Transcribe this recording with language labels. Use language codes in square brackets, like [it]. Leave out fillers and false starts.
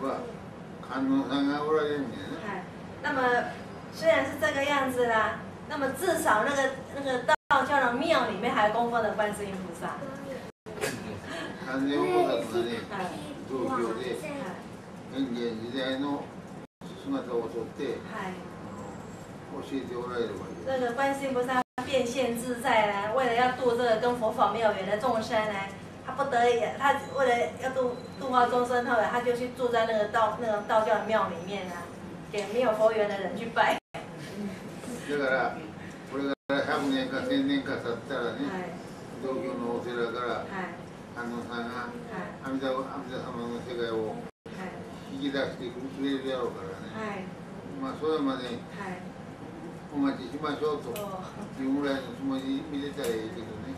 [ja] は観音さんがおられるんだよね。はい。 [zh] 那么虽然是这个样子啦，那么至少那个道教的庙里面还供奉的观世音菩萨。 [ja] 観音菩薩はね、道教で変幻自在の姿を取って、はい、教えておられるわけ。 [zh] 这个观世音菩萨变现自在呢，为了要度这个跟佛法没有缘的众生呢。他不得已，他为了要度化众生，后来他就去住在那个道教的庙里面啊，给没有佛缘的人去拜。 [ja] だから、これから100年か1000年か経ったらね、東京のお寺から観音さんが阿弥陀様の世界を引き出してくれるやろうからね。まあそれまでお待ちしましょうというぐらいのつもりで見れたらいいけどね。